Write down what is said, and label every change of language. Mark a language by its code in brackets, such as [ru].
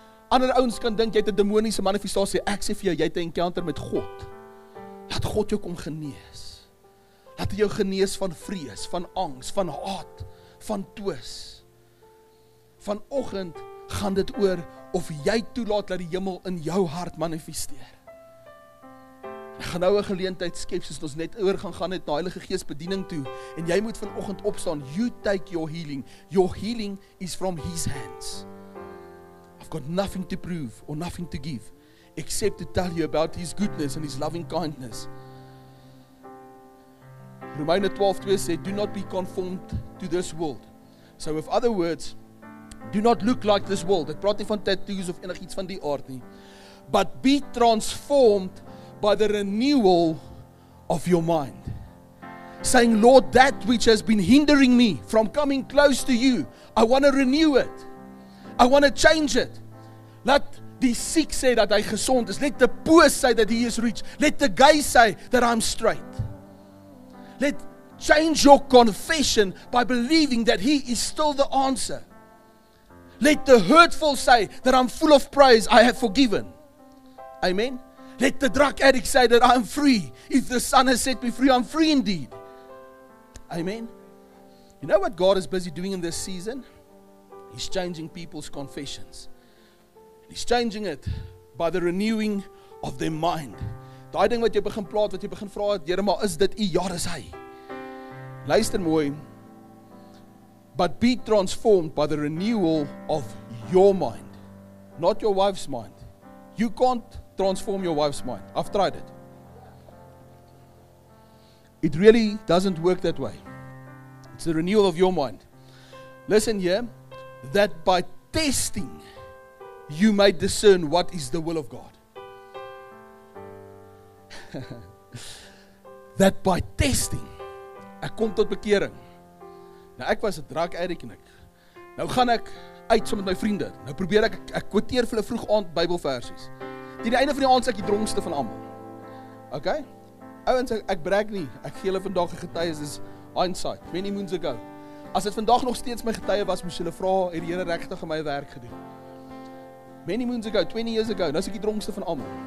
[af] Ander ouens kan dink jy het 'n demoniese manifestasie. Ek sê vir jou, jy het 'n encounter met God. Laat God jou kom genees. Laat jou genees van vrees, van angs, van haat, van twis. Vanoggend gaan dit oor of jy toelaat dat die hemel in jou hart manifesteer. Ek gaan nou 'n geleentheid skep soos ons net oor gaan gaan het na Heilige Gees bediening toe en jy moet vanoggend opstaan. [en] You take your healing. Your healing is from His hands. I've got nothing to prove or nothing to give except to tell you about His goodness and His loving kindness. [af] Romeine 12:2 sê, [en] do not be conformed to this world. So with other words, do not look like this world. [af] Dit praat nie van tattoos of enigiets van die aard nie. [en] But be transformed by the renewal of your mind. Saying, Lord, that which has been hindering me from coming close to you, I want to renew it. I want to change it. Let the sick say that [af] hy gesond is. [en] Let the poor say that he is rich. Let the gay say that I'm straight. Let change your confession by believing that he is still the answer. Let the hurtful say that I'm full of praise, I have forgiven. Amen. Let the drug addict say that I'm free. If the Son has set me free, I'm free indeed. Amen. You know what God is busy doing in this season? He's changing people's confessions. He's changing it by the renewing of their mind. [af] Daai ding wat jy begin plaat, wat jy begin vra, Here, maar is dit U? Ja, dis Hy. Luister mooi. [en] But be transformed by the renewal of your mind, not your wife's mind. You can't transform your wife's mind. I've tried it. It really doesn't work that way. It's the renewal of your mind. Listen here, that by testing, you may discern what is the will of God. That by testing, [af] ek kom tot bekering. Nou ek was 'n drug addict en ek. Nou gaan ek uit saam met my vriende. Nou probeer ek kwoteer vir hulle vroeg aand Bybelversies. Teen die einde van die aand sê ek die dronkste van almal. Okay? Ouens, ek brag nie. Ek gee hulle vandag 'n getuie, dis hindsight, [en] many moons ago. [af] As dit vandag nog steeds my getuie was, moes hulle vra, het die Here regtig my werk gedoen? [en] Many moons ago, 20 years ago, [af] nou sê ek die dronkste van almal.